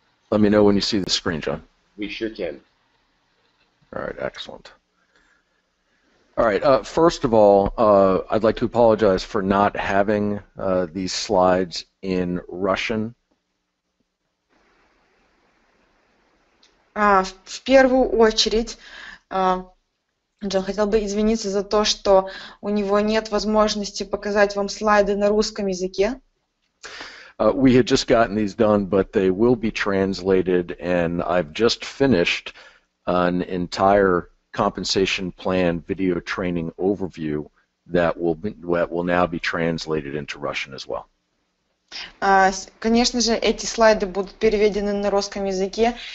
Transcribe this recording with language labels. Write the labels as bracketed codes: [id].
[en] Let me know when you see the screen, John. We sure can. All right, excellent. All right, first of all, I'd like to apologize for not having these slides in Russian. [ru] В первую очередь, Джон хотел бы извиниться за то, что у него нет возможности показать вам слайды на русском языке. [en] We had just gotten these done, but they will be translated, and I've just finished an entire compensation plan video training overview that will now be translated into Russian as well. [ru] Конечно же, эти слайды будут переведены на русском языке.